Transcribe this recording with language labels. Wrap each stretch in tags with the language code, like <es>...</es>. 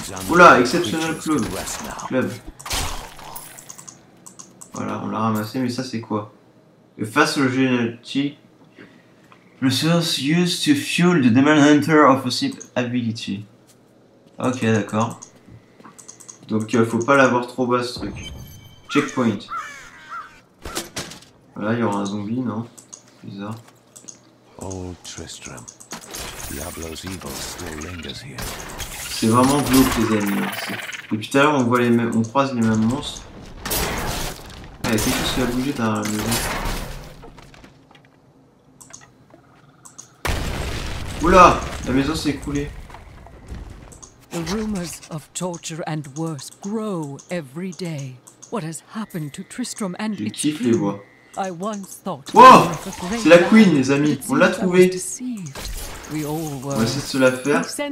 <fr>Oula, exceptionnel club. Voilà, on l'a ramassé, mais ça, c'est quoi? Le facile génétique.</fr> <en>Resource used to fuel the demon hunter of a ship ability.</en> <fr>Ok, d'accord. Donc, faut pas l'avoir trop bas, ce truc.</fr> <en>Checkpoint.</en> <fr>Voilà, il y aura un zombie, non? Bizarre.</fr> <en>Old Tristram, Diablo's evil still lingers here.</en> <fr>C'est vraiment glauque, les amis. Depuis tout à l'heure, on voit les mêmes, on croise les mêmes monstres. Ah, il y a quelque chose qui a bougé derrière la maison. Oula, la maison s'est écroulée.</fr> <en>The rumors of torture and worse grow every day. What has happened to Tristram and its people?</en> <fr>Je kiffe les voix. Wow, c'est la queen, les amis, on l'a trouvée. On va essayer de se la faire.</fr>